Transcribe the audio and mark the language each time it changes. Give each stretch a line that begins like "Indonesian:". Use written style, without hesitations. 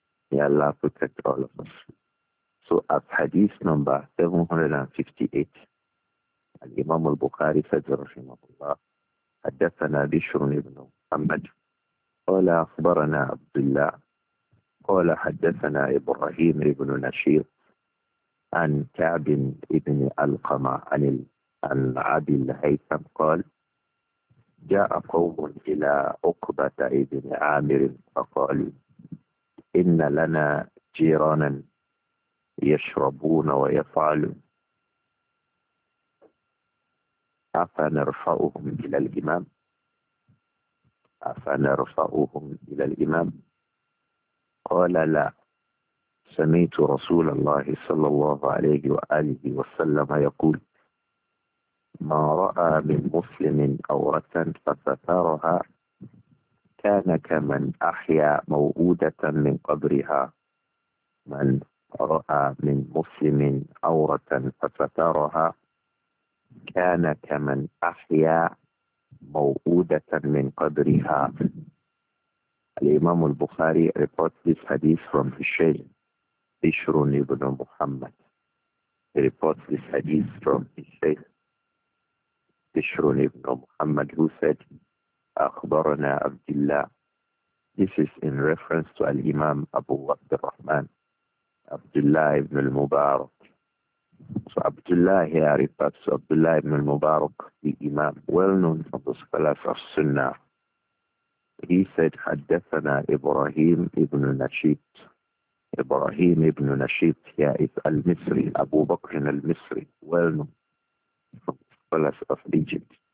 English: May Allah protect all of us. So at hadith number 758, Imam al-Bukhari said, Rahimahullah,
Arabic: Haddathana Bishr ibn Muhammad, Qala akhbarana Abdullah, Qala haddathana Ibrahim ibn Nashir, An Ka'b ibn al-Qama, An Abil Haytham, Qala, جاء قوم إلى عقبة ابن عامر فقالوا إن لنا جيرانا يشربون ويفعلون فنرفعهم إلى الإمام، أفنرفعهم إلى الإمام؟ قال لا، سمعت رسول الله صلى الله عليه وآله وسلم يقول: ما رأى من مسلم عورة فسترها كان كمن أحيا موءودة من قبرها. من رأى من مسلم عورة فسترها كان كمن أحيا موءودة من قبرها. الإمام البخاري
English: reported this hadith from Hishaym بشر بن محمد. He reports this hadith from Hishaym بشر بن محمد who said
Arabic: أخبرنا عبد الله.
English: This is in reference to
Arabic: الإمام أبو عبد الرحمن عبد الله بن المبارك.
English: So Abdullah here refers to Abdullah ibn al-Mubarak, the Imam, well-known from the scholars of Sunnah. He said,
Arabic: حَدَّثَنَا إِبْرَاهِيمُ
English: ibn نَشِيبٍ. Ibrahim ibn نَشِيبٍ here is al-Misri, Abu Bakr al-Misri, well-known from the scholars of Egypt.